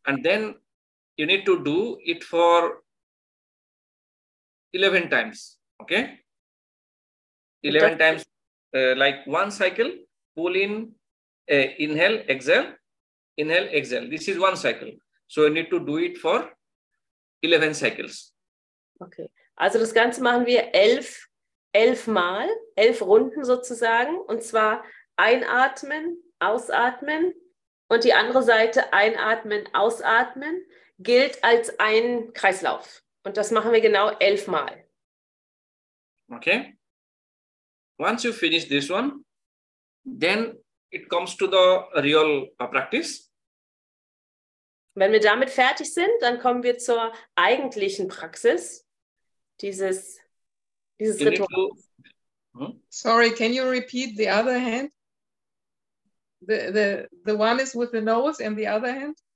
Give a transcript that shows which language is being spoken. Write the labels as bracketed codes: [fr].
[en] And then you need to do it for 11 times. Okay. 11 times, like one cycle, pull in, inhale, exhale, inhale, exhale. This is one cycle. So you need to do it for 11 cycles. Okay. [de] Also das Ganze machen wir 11 Mal, 11 Runden sozusagen. Und zwar einatmen, ausatmen und die andere Seite einatmen, ausatmen, gilt als ein Kreislauf. Und das machen wir genau 11 Mal. Okay. [en] Once you finish this one, then it comes to the real practice. [de] Wenn wir damit fertig sind, dann kommen wir zur eigentlichen Praxis, dieses Ritual. [en] Sorry, can you repeat the other hand? The one is with the nose and the other hand?